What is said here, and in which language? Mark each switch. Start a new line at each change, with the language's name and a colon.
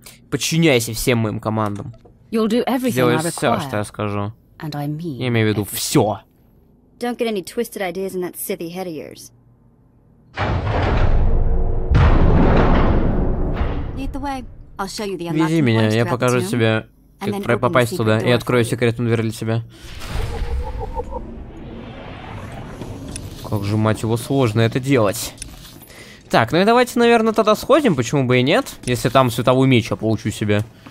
Russian: Подчиняйся всем моим командам.
English: You'll do everything
Russian: Сделай
English: I require.
Russian: Все, что я скажу.
English: And I mean
Russian: я имею в виду все.
English: Don't get any twisted ideas in that silly head of yours. Lead the way. I'll show you the unlocking
Russian: Веди меня, я покажу тебе, как попасть туда, и открою секретную дверь для тебя. Как же, мать его, сложно это делать. Так, ну и давайте, наверное, тогда сходим, почему бы и нет, если там световой меч я получу себе.